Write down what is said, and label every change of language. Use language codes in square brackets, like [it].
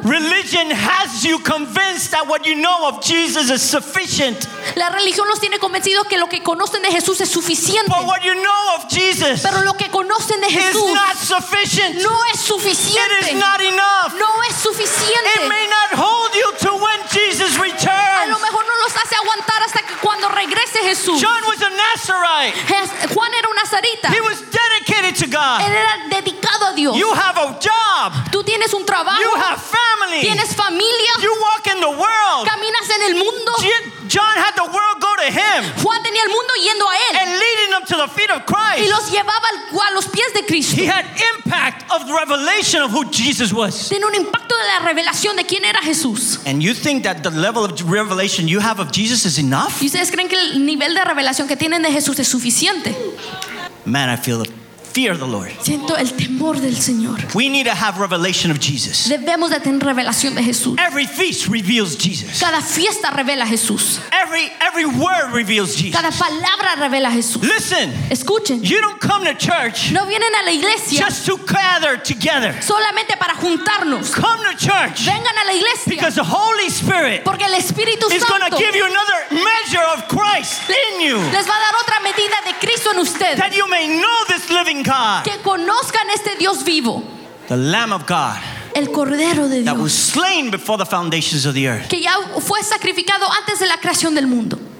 [en] Religion has you convinced that what you know of Jesus is sufficient. [es] La religión los tiene convencidos que lo que conocen de Jesús es suficiente. [en] But what you know of Jesus, [es] pero lo que conocen de Jesús, [en] is not sufficient. [es] No es suficiente. [en] It is not enough. [es] No es suficiente. [en] It may not hold you to when Jesus returns. [es] A lo mejor no los hace aguantar hasta que cuando regrese Jesús. [en] John was a Nazarite. [es] Juan era un nazarita. [en] He was dedicated to God. [es] Él era dedicado a Dios. [en] You have a job. [es] Tú tienes un trabajo. [en] You have family. [es] Tienes familia. [en] You walk in the world. [es] Caminas en el mundo. [en] John had the world go to him. [es] Juan tenía el mundo yendo a él. [en] And leading them to the feet of Christ. [es] Y los llevaba a los pies de Cristo. [en] He had impact of the revelation of who Jesus was. [es] Tenía un impacto de la revelación de quién era Jesús. [en] And you think that the level of revelation you have of Jesus is enough? [es] ¿Y ustedes creen que el nivel de revelación que tienen de Jesús es suficiente? [en] Man, I feel it. Fear the Lord. [es] Siento el temor del Señor. [en] We need to have revelation of Jesus. [es] Debemos de tener revelación de Jesús. [en] Every feast reveals Jesus. [es] Cada fiesta revela a Jesús. [en] Every word reveals Jesus. [es] Cada palabra revela a Jesús. [en] Listen. [es] Escuchen. [en] You don't come to church. [es] No vienen a la iglesia. [en] Just to gather together. [es] Solamente para juntarnos. [en] Come to church. [es] Vengan a la iglesia. [en] Because the Holy Spirit. [es] Porque el Espíritu Santo. [en] Is going to give you another measure of Christ in you. [es] Les va a dar otra medida de Cristo en ustedes. [en] That you may know this living God. [es] Que conozcan este Dios vivo. [en] The Lamb of God. [es] El Cordero de Dios. [en] That was slain before the foundations of the earth. [es] Que ya fue sacrificado antes de la creación del mundo.